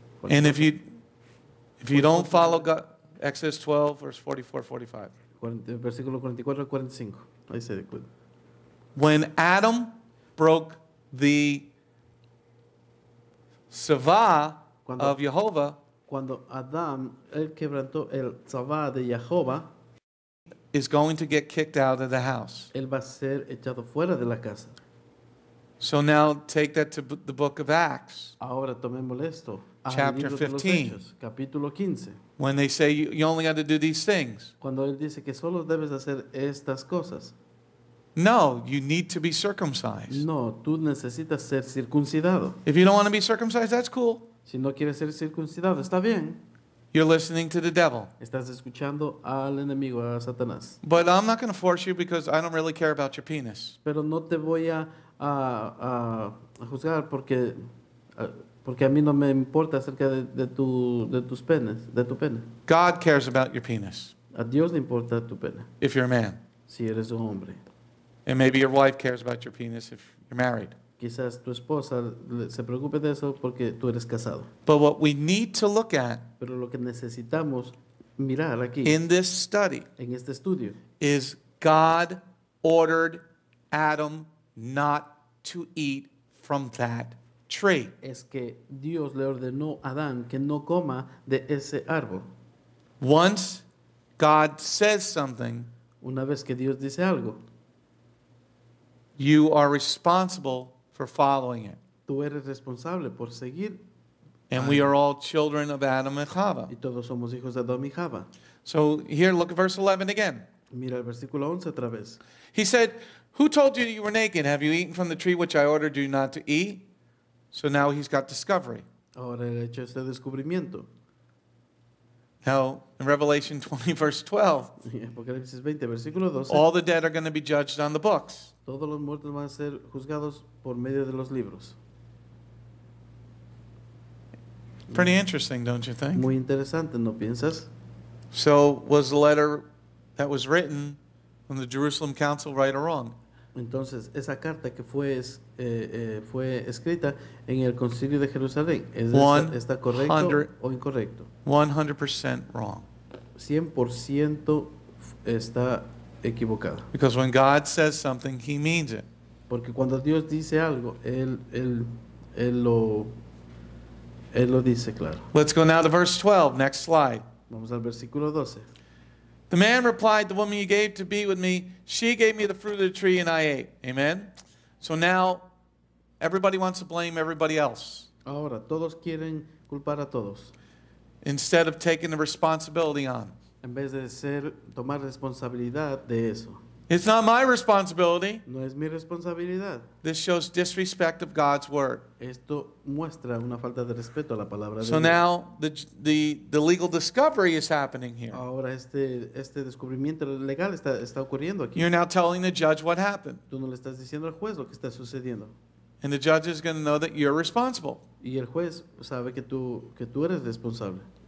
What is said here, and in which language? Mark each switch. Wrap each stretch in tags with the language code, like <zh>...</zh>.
<en>And if you don't follow God, Exodus 12, verse 44, 45.</en> <es>Versículo 44 a 45. Ahí se dice.</es> <en>When Adam broke the tzavah of Jehovah,</en> <es>cuando Adam él quebrantó el tzavah de Jehová,</es> <en>is going to get kicked out of the house.</en> <es>Él va a ser echado fuera de la casa.</es> <en>So now take that to the book of Acts.</en> <es>Ahora tomemos esto.</es> <en>Chapter 15.</en> <es>Capítulo 15.</es> <en>When they say you only got to do these things.</en> <es>Cuando él dice que solo debes hacer estas cosas.</es> <en>No, you need to be circumcised.</en> <es>No, tú necesitas ser circuncidado.</es> <en>If you don't want to be circumcised, that's cool.</en> <es>Si no quieres ser circuncidado, está bien.</es> <en>You're listening to the devil.</en> <es>Estás escuchando al enemigo, a Satanás.</es> <en>But I'm not going to force you because I don't really care about your penis.</en> <es>Pero no te voy a juzgar porque a mí no me importa acerca de tus penes, de tu pene.</es> <en>God cares about your penis.</en> <es>A Dios le importa tu pene.</es> <en>If you're a man.</en> <es>Si eres un hombre.</es> <en>And maybe your wife cares about your penis if you're married.</en> <es>Quizás tu esposa se preocupe de eso porque tú eres casado.</es> <en>But what we need to look at,</en> <es>pero lo que necesitamos mirar aquí,</es> <en>in this study,</en> <es>en este estudio,</es> <en>is God ordered Adam not to eat from that tree.</en> <es>Es que Dios le ordenó a Adán que no coma de ese árbol.</es> <en>Once God says something,</en> <es>una vez que Dios dice algo,</es> <en>you are responsible for following it.</en> <es>Tú eres responsable por seguir</es> <en>And we are all children of Adam and Chava.</en> <es>Y todos somos hijos de Adam y Chava.</es> <en>So here, look at verse 11 again.</en> <es>Mira el versículo 11 otra vez.</es> <en>He said, who told you you were naked? Have you eaten from the tree which I ordered you not to eat? So now he's got discovery.</en> <es>Ahora he hecho este descubrimiento.</es> <en>Now, in Revelation 20, verse 12,</en> <es>Apocalipsis 20, versículo 12,</es> <en>all the dead are going to be judged on the books.</en> <es>Todos los muertos van a ser juzgados por medio de los libros.</es> <en>Pretty interesting, don't you think?</en> <es>Muy interesante, ¿no piensas?</es> <en>So, was the letter that was written from the Jerusalem Council right or wrong?</en> <es>Entonces, esa carta que fue, fue escrita en el Concilio de Jerusalén, ¿está correcto o incorrecto?</es> <en>100% wrong.</en> <es>100% está equivocada.</es> <en>Because when God says something, he means it.</en> <es>Porque cuando Dios dice algo, él lo dice claro.</es> <en>Let's go now to verse 12, next slide.</en> <es>Vamos al versículo 12.</es> <en>The man replied, the woman you gave to be with me, she gave me the fruit of the tree and I ate. Amen? So now, everybody wants to blame everybody else.</en> <es>Ahora, todos quieren culpar a todos.</es> <en>Instead of taking the responsibility on.</en> <es>En vez de tomar responsabilidad de eso.</es> <en>It's not my responsibility.</en> <es>No es mi responsabilidad.</es> <en>This shows disrespect of God's word.</en> <es>Esto muestra una falta de respeto a la palabra de</es> <en>Dios. So now the legal discovery is happening here.</en> <es>Ahora este descubrimiento legal está ocurriendo aquí.</es> <en>You're now telling the judge what happened.</en> <es>Tú no le estás diciendo al juez lo que está sucediendo.</es> <en>And the judge is going to know that you're responsible.</en> <es>Y el juez sabe que tú eres responsable.</es>